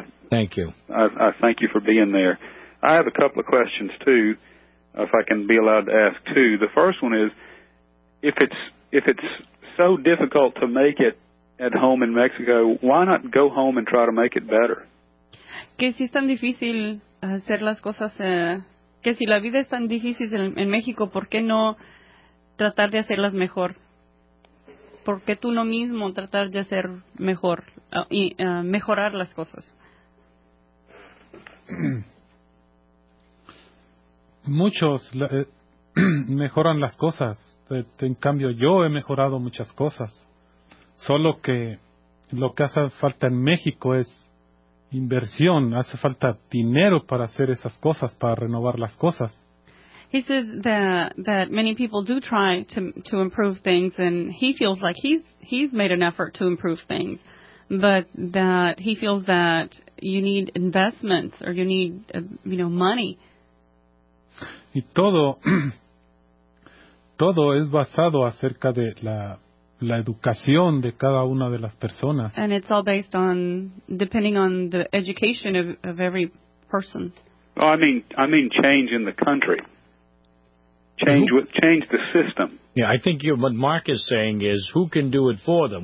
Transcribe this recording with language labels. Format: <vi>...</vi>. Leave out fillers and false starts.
<en>Thank you. I thank you for being there. I have a couple of questions, too, if I can be allowed to ask two. The first one is, if it's so difficult to make it at home in Mexico, why not go home and try to make it better?</en> <es>Que si es tan difícil hacer las cosas, que si la vida es tan difícil en México, ¿por qué no tratar de hacerlas mejor? ¿Por qué tú no mismo tratar de hacer mejor y mejorar las cosas? Muchos mejoran las cosas. En cambio, yo he mejorado muchas cosas. Solo que lo que hace falta en México es inversión, hace falta dinero para hacer esas cosas, para renovar las cosas.</es> <en>He says that many people do try to improve things, and he feels like he's made an effort to improve things, but that he feels that you need investments or you need money.</en> <es>Y todo es basado acerca de la educación de cada una de las personas.</es> <en>And it's all based on, depending on the education of every person. Oh, I mean change in the country. Change the system. Yeah, I think what Mark is saying is, who can do it for them?</en>